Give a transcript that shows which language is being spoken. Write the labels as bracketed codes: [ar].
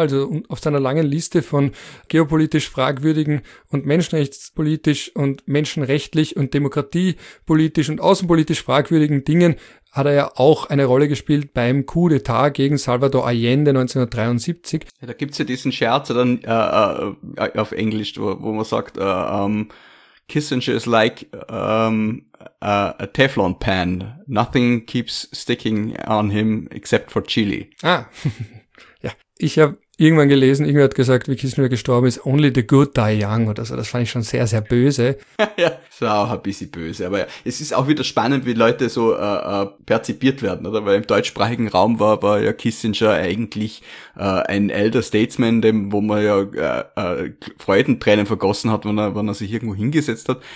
[de] Also auf seiner langen Liste von geopolitisch fragwürdigen und menschenrechtspolitisch und menschenrechtlich und demokratiepolitisch und außenpolitisch fragwürdigen Dingen hat er ja auch eine Rolle gespielt beim Coup d'État gegen Salvador Allende 1973. Ja, da gibt's ja diesen Scherz dann auf Englisch, wo man sagt, [en] Kissinger is like a Teflon pan. Nothing keeps sticking on him except for chili. [de] Ah, ja. Ich habe irgendwann gelesen, irgendwer hat gesagt, wie Kissinger gestorben ist, [en] only the good die young [de] oder so. Das fand ich schon sehr, sehr böse. Ja, das war auch ein bisschen böse. Aber ja, es ist auch wieder spannend, wie Leute so perzipiert werden, oder? Weil im deutschsprachigen Raum war ja Kissinger eigentlich ein Elder Statesman, dem, wo man ja Freudentränen vergossen hat, wenn er sich irgendwo hingesetzt hat.